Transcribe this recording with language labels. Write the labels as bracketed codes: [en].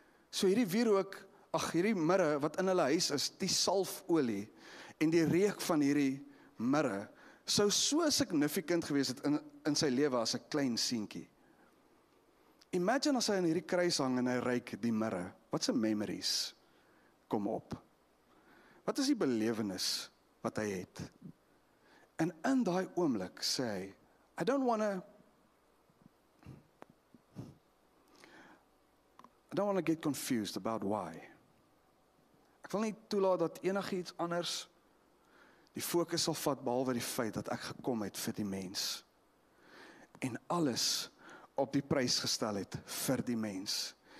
[af] So hierdie wierook, ag, hierdie mirre, wat in hulle huis is, die salfolie, en die reek van hierdie mirre zou so significant geweest het in sy lewe as 'n klein seentjie. Imagine as hy in hierdie kruis hang en hy reik die mirre. Wat se memories kom op? Wat is die belewenis wat hy het? En in daai oomblik sê hy, [en] I don't want to get confused about why. [af] Ek wil nie toelaat dat enigiets anders die fokus sal vat behalwe die feit dat ek gekom het vir die mens en alles op die prys gestel het vir die mens.